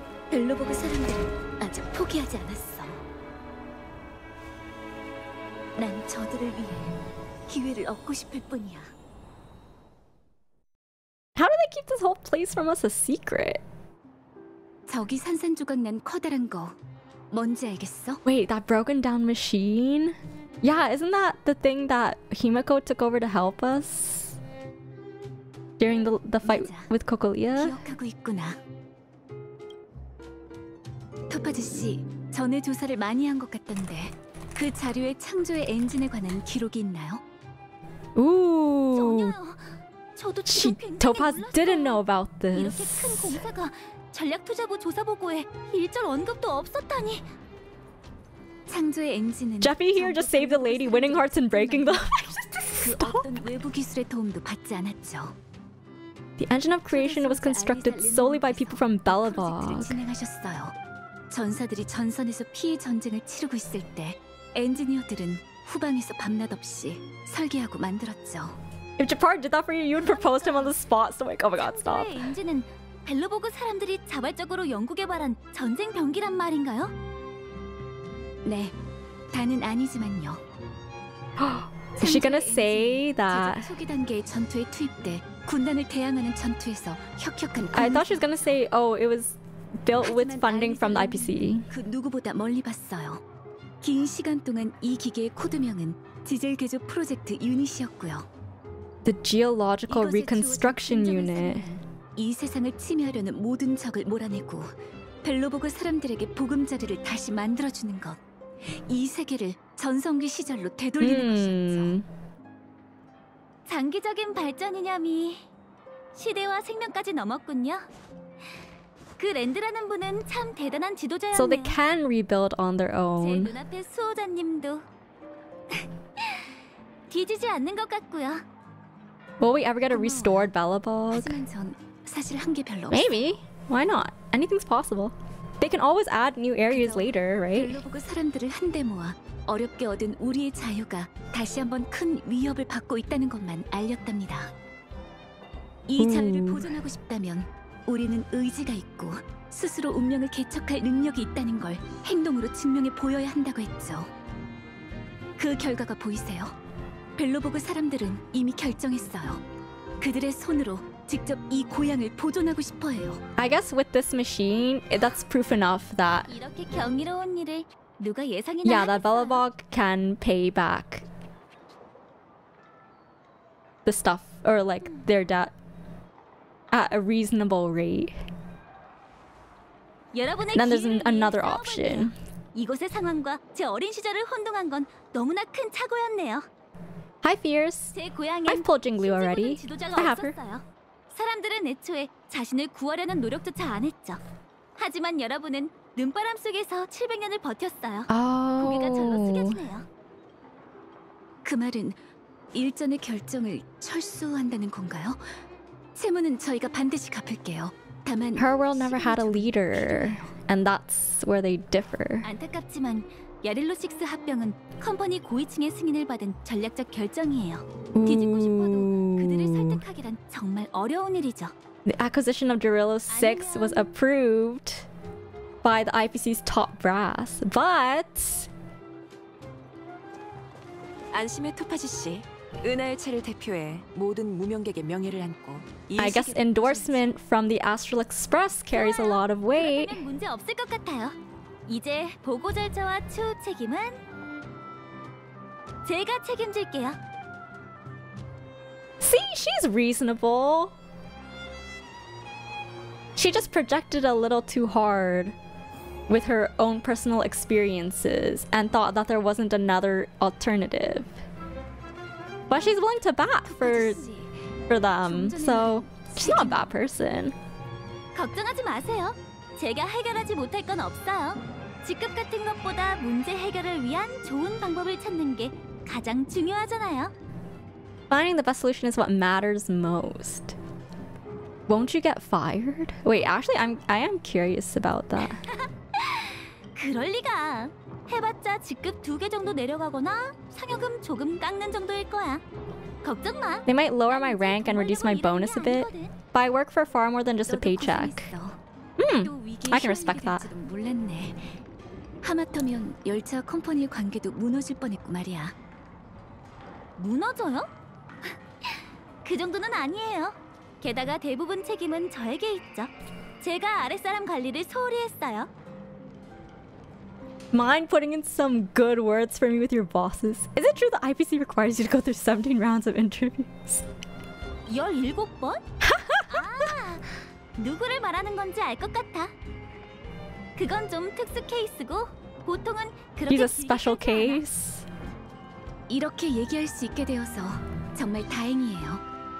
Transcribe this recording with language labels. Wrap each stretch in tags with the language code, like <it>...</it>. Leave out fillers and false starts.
<ko>벨로보그 사람들 아직 포기하지 않았어. 난 저들을 위해 기회를 얻고 싶을 뿐이야.</ko> <en>How do they keep this whole place from us a secret?</en> <ko>저기 산산조각 난 커다란 거 뭔지 알겠어?</ko> <en>Wait, that broken down machine? Yeah, isn't that the thing that Himeko took over to help us? During the fight</en> <ko>맞아.</ko> <en>With Kokolia?</en> <ko>기억하고 있구나. 토파즈씨, 전에 조사를 많이 한 것 같던데 그 자료에 창조의 엔진에 관한 기록이 있나요? 오. 전혀요. 저도 지금</ko> <en>Topaz didn't know about this.</en> <ko>이렇게 큰 공사가 전략 투자부 조사 보고에 일절 언급도 없었다니. 창조의 엔진은</ko> <en>Jeffy here just saved the lady winning hearts and breaking them.</en> <ko>그 어떤 외부 기술의 도움도 받지 않았죠.</ko> <en>The engine of creation was constructed solely by people from Belobog.</en> <ko>진행하셨어요. 전사들이 전선에서 피해 전쟁을 치르고 있을 때 엔지니어들은 후방에서 밤낮 없이 설계하고 만들었죠.</ko> <en>If Jafar did that for you, you'd propose him on the spot. So like, oh my god, stop.</en> <ko>엔진은 벨로보그 사람들이 자발적으로 연구 개발한 전쟁 병기란 말인가요? 네, 다는 아니지만요.</ko> <en>Is she gonna say that?</en> <ko>초기 단계의 전투에 투입돼 군단을 대항하는 전투에서 혁혁한.</ko> <en>I thought she was gonna say, oh, it was built with funding from the IPC.</en> <ko>그 누구보다 멀리 봤어요. 긴 시간 동안 이 기계의 코드명은 디젤 개조 프로젝트 유닛이었고요.</ko> <en>The Geological Reconstruction Unit.</en> <ko>이 세상을 침해하려는 모든 적을 몰아내고 벨로보그 사람들에게 보금자리를 다시 만들어주는 것. 이 세계를 전성기 시절로 되돌리는 것이었죠. 장기적인 발전이냐미. 시대와 생명까지 넘었군요. 그 랜드라는 분은 참 대단한 지도자였네요.</ko> <en>So they can rebuild on their own.</en> <ko>제 눈앞에 수호자님도 뒤지지 않는 것 같고요.</ko> <en>Will we ever get a restored Belobog?</en> <ko>하지만 전 사실 한 게 별로 없어.</ko> <en>Maybe. Why not? Anything's possible. They can always add new areas later, right?</en> <ko>벨로보그 사람들을 한 데 모아 어렵게 얻은 우리의 자유가 다시 한번 큰 위협을 받고 있다는 것만 알렸답니다. 이 자유를 보존하고 싶다면 우리는 의지가 있고 스스로 운명을 개척할 능력이 있다는 걸 행동으로 증명해 보여야 한다고 했죠. 그 결과가 보이세요? 벨로보그 사람들은 이미 결정했어요. 그들의 손으로 직접 이 고향을 보존하고 싶어요.</ko> <en>I guess with this machine, that's proof enough that</en> <ko>이렇게 경이로운 일을 누가 예상이나</ko> <en>Yeah, that Belobog can pay back the stuff or like their debt. At a reasonable rate. Then there's another option.</en> <ko>이곳의 상황과 제 어린 시절을 혼동한 건 너무나 큰 착오였네요.</ko> <en>Hi, Fierce. I've pulled Jingliu already. I have her.</en> <ko>사람들은 애초에 자신을 구하려는 노력조차 안 했죠. 하지만 여러분은 눈바람 속에서 700년을 버텼어요. 고개가 절로 숙여지네요. 그 말은 일전의 결정을 철수한다는 건가요? 세무는 저희가 반드시 갚을게요. 다만</ko> <en>Her world never had a leader, and that's where they differ.</en> <ko>안타깝지만 야릴로 6 합병은 컴퍼니 고위층의 승인을 받은 전략적 결정이에요. 뒤집고 싶어도 그들을 설득하기란 정말 어려운 일이죠.</ko> <en>The acquisition of Jarilo 6 was approved by the IPC's top brass, but</en> <ko>안심해 토파즈 씨. 은하의 채를 대표해 모든 무명객의 명예를 안고</ko> <en>I guess endorsement from the Astral Express carries</en> <ko>좋아요.</ko> <en>a lot of weight.</en> <ko>그렇다면 문제 없을 것 같아요. 이제 보고 절차와 추후 책임은 제가 책임질게요.</ko> <en>See, she's reasonable. She just projected a little too hard with her own personal experiences and thought that there wasn't another alternative. But she's willing to back for them, so she's not a bad person.</en> <ko>걱정하지 마세요. 제가 해결하지 못할 건 없어요. 직급 같은 것보다 문제 해결을 위한 좋은 방법을 찾는 게 가장 중요하잖아요.</ko> <en>Finding the best solution is what matters most. Won't you get fired? Wait, actually, I am curious about that.</en> <ko>그럴 리가. 해봤자 직급 두 개 정도 내려가거나 상여금 조금 깎는 정도일 거야. 걱정 마.</ko> <en>They might lower my rank and reduce my bonus a bit, but I work for far more than just a paycheck. I can respect that.</en> <ko>몰랐네. 하마터면 열차 컴퍼니의 관계도 무너질 뻔했고 말이야. 무너져요? 그 정도는 아니에요. 게다가 대부분 책임은 저에게 있죠. 제가 아랫사람 관리를 소홀히 했어요.</ko> <en>Mind putting in some good words for me with your bosses? Is it true that IPC requires you to go through 17 rounds of interviews?</en> <ko>17번? 아, 누구를 말하는 건지 알 것 같아. 그건 좀 특수 케이스고, 보통은 그렇게</ko> <en>He's a special case.</en> <ko>이렇게 얘기할 수 있게 되어서 정말 다행이에요.</ko>